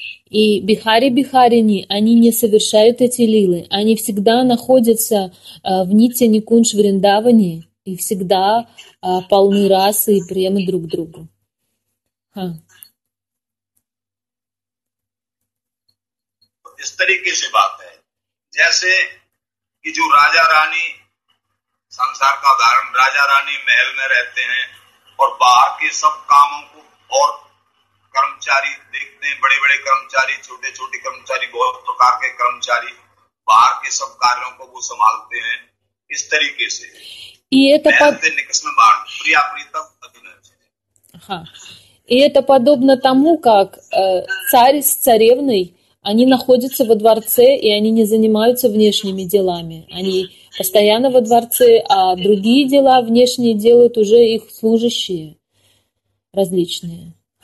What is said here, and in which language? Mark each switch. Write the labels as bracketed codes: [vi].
[ru] И бихари-бихарини, они не совершают эти лилы. Они всегда находятся в Нитья-Никунш-Вриндаване, и всегда полны расы и премы друг другу. [hi] इस तरीके से बात है जैसे कि जो राजा रानी संसार का उदाहरण राजा रानी महल में रहते हैं और बाहर के सब कामों को और कर्मचारी देखते हैं बड़े बड़े कर्मचारी छोटे छोटे कर्मचारी बहुत प्रकार के कर्मचारी बाहर के सब कार्यों को वो संभालते हैं इस तरीके से ये तो महल से निकसम बाढ़ प्रिया प्रीतम [ru] И это подобно тому, как царь с царевной, они находятся во дворце, и они не занимаются внешними делами. Они постоянно во дворце, а другие дела внешние делают уже их служащие различные.